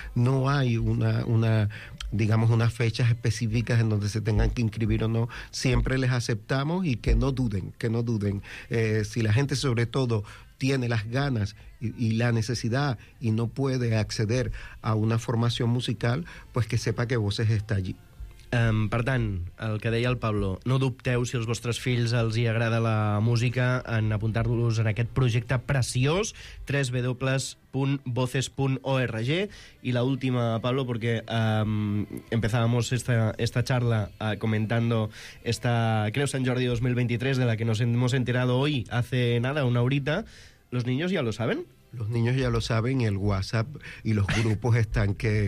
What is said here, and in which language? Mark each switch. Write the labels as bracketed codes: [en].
[es] No hay unas fechas específicas en donde se tengan que inscribir o no. Siempre les aceptamos y que no duden. Si la gente sobre todo tiene las ganas y la necesidad y no puede acceder a una formación musical, pues que sepa que Voces está allí. [ca] Per tant, el que deia el Pablo, no dubteu si als vostres fills els hi agrada la música en apuntar-los en aquest projecte preciós, www.voces.org. I l'última, Pablo, perquè [es] empezábamos esta charla comentando esta Creu Sant Jordi 2023 de la que nos hemos enterado hoy, hace nada, una horita, ¿los niños ya lo saben? Los niños ya lo saben y el WhatsApp y los grupos están que...